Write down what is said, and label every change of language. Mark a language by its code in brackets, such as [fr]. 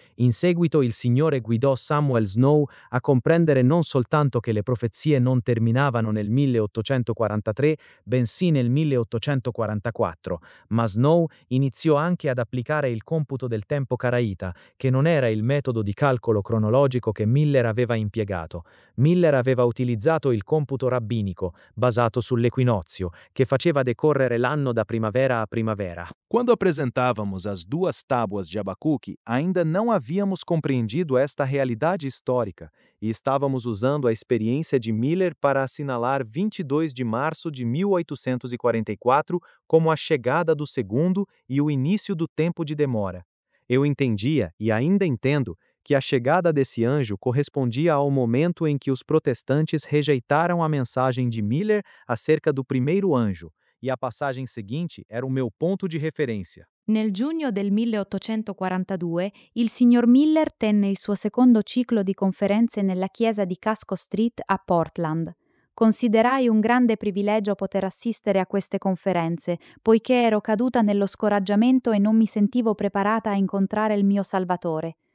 [it] In seguito il Signore guidò Samuel Snow a comprendere non soltanto che le profezie non terminavano nel 1843, bensì nel 1844, ma Snow iniziò anche ad applicare il computo del tempo caraita, che non era il metodo di calcolo cronologico che Miller aveva impiegato. Miller aveva utilizzato il computo rabbinico, basato sull'equinozio, che faceva decorrere l'anno da primavera a primavera. [pt] Quando apresentávamos as duas tábuas de Abacuque, ainda não havíamos compreendido esta realidade histórica e estávamos usando a experiência de Miller para assinalar 22 de março de 1844 como a chegada do segundo e o início do tempo de demora. Eu entendia, e ainda entendo, que a chegada desse anjo correspondia ao momento em que os protestantes rejeitaram a mensagem de Miller acerca do primeiro anjo, e a passagem seguinte era o meu ponto de referência. [it] Nel giugno del 1842, il signor Miller tenne il suo secondo ciclo di conferenze nella chiesa di Casco Street a Portland. Considerai un grande privilegio poter assistere a queste conferenze, poiché ero caduta nello scoraggiamento e non mi sentivo preparata a incontrare il mio Salvatore.